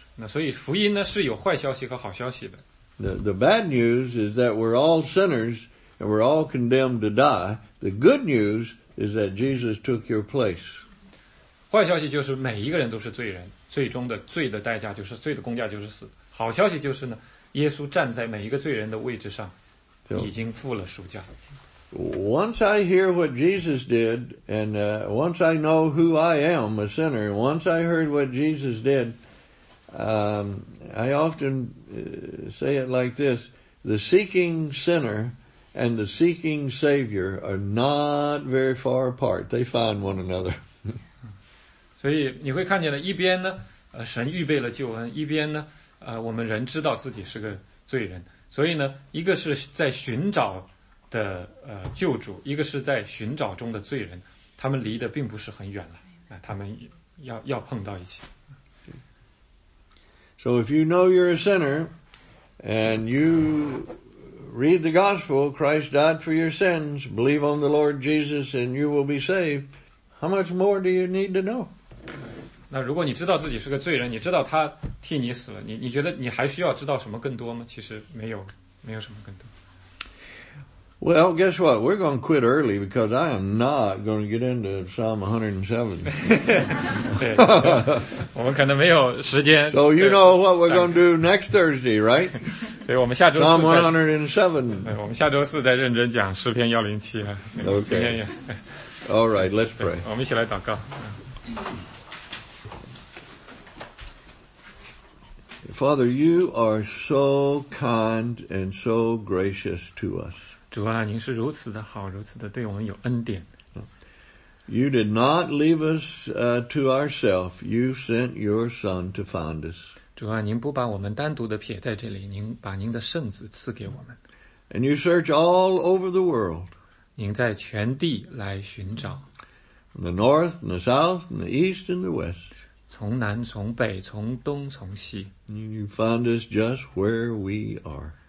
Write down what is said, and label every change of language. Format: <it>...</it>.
<zh>那所以福音呢是有坏消息和好消息的。</zh> <en>The bad news is that we're all sinners and we're all condemned to die. The good news is that Jesus took your place.</en> <zh>坏消息就是每一个人都是罪人，最终的罪的代价就是罪的工价就是死。好消息就是呢，耶稣站在每一个罪人的位置上，已经付了赎价。</zh> <en>Once I hear what Jesus did, and once I know who I am, a sinner, once I heard what Jesus did, I often say it like this, the seeking sinner and the seeking Savior are not very far apart. They find one another.</en> <zh>所以你会看见的一边呢，神预备了救恩，一边呢，我们人知道自己是个罪人。所以呢，一个是在寻找的救主，一个是在寻找中的罪人，他们离得并不是很远了，他们要碰到一起。</zh> <en>So if you know you're a sinner, and you read the gospel, Christ died for your sins, believe on the Lord Jesus, and you will be saved, how much more do you need to know?</en> <zh>那如果你知道自己是个罪人，你知道他替你死了，你觉得你还需要知道什么更多吗？其实没有什么更多。</zh> <en>Well, guess what? We're going to quit early because I am not going to get into Psalm 107.</en> <zh>对，我们可能没有时间。</zh> <en>So you know what we're going to do next Thursday, right?</en> <zh>所以我们下周四。</zh> <en>Psalm 107.</en> <zh>我们下周四再认真讲诗篇107。</zh> <en>Okay. All right, let's pray.</en> <zh>我们一起来祷告。</zh> <en>Father, you are so kind and so gracious to us.</en> <zh>主啊，您是如此的好，如此的对我们有恩典。</zh> <en>You did not leave us to ourselves. You sent your Son to find us.</en> <zh>主啊，您不把我们单独的撇在这里，您把您的圣子赐给我们。</zh> <en>And you search all over the world.</en> <zh>您在全地来寻找。</zh> <en>From the north, and the south, and the east, and the west.</en> <zh>从南，从北，从东，从西。</zh> <en>You find us just where we are.</en>